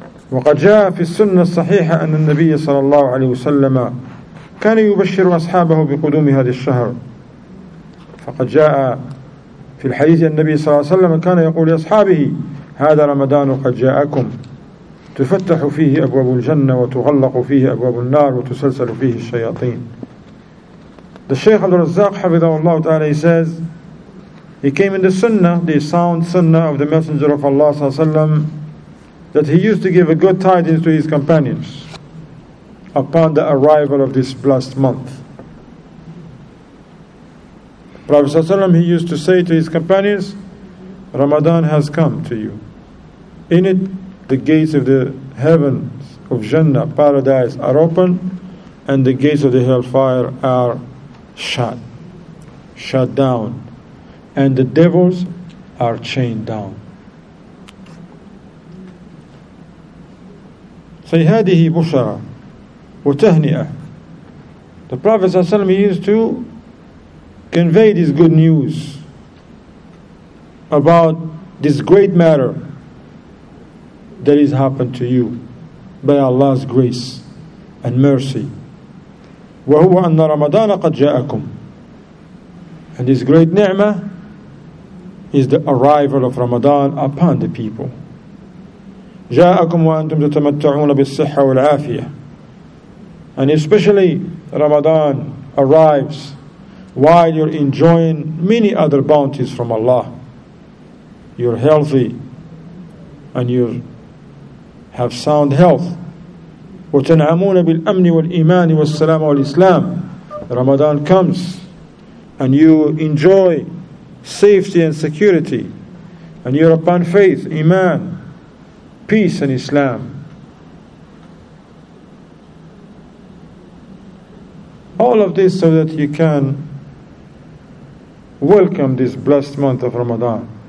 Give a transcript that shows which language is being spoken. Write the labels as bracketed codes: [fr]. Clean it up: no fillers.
[ar] وقد جاء في السنة الصحيحة أن النبي صلى الله عليه وسلم كان يبشر أصحابه بقدوم هذا الشهر. فقد جاء في الحديث أن النبي صلى الله عليه وسلم كان يقول لأصحابه: هذا رمضان قد جاءكم، تفتح فيه أبواب الجنة وتغلق فيه أبواب النار وتسلسل فيه الشياطين. [en] The Shaykh Abdul Razzaq [ar] حفظه الله تعالى, [en] he says, he came in the Sunnah, the sound Sunnah of the Messenger of Allah [ar] صلى الله عليه وسلم, [en] that he used to give a good tidings to his companions upon the arrival of this blessed month. Prophet ﷺ, he used to say to his companions, Ramadan has come to you. In it, the gates of the heavens of Jannah, paradise, are open, and the gates of the hellfire are shut down, and the devils are chained down. Say [ar] هذه بشرى وتهنئة. [en] The Prophet ﷺ used to convey this good news about this great matter that has happened to you by Allah's grace and mercy. [ar] وهو أن رمضان قد جاءكم. [en] And this great ni'mah is the arrival of Ramadan upon the people. [ar] جاءكم وأنتم تتمتعون بالصحة والعافية. [en] And especially Ramadan arrives while you're enjoying many other bounties from Allah. You're healthy and you have sound health. [ar] وتنعمون بالأمن والإيمان والسلام والإسلام. [en] Ramadan comes and you enjoy safety and security, and you're upon faith, iman, peace and Islam. All of this so that you can welcome this blessed month of Ramadan.